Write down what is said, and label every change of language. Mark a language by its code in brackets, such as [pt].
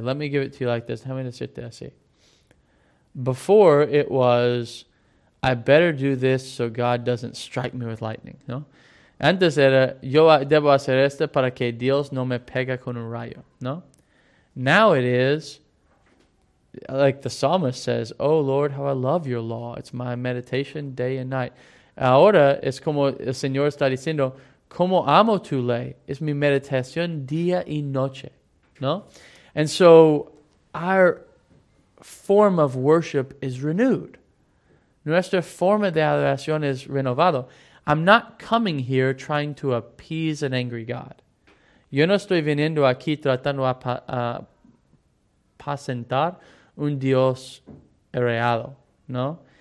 [en] Let me give it to you like this. How many sit there, see? Before, it was, I better do this so God doesn't strike me with lightning. [es] No, antes era, yo debo hacer esto para que Dios no me pega con un rayo. [en] No, now it is, like the psalmist says, oh Lord, how I love your law. It's my meditation day and night. [es] Ahora es como el Señor está diciendo, como amo tu ley. Es mi meditación día y noche. [en] No, and so our form of worship is renewed. [es] Nuestra forma de adoración es renovado. [en] I'm not coming here trying to appease an angry God. [es] Yo no estoy viniendo aquí tratando apacentar un Dios enojado, ¿no?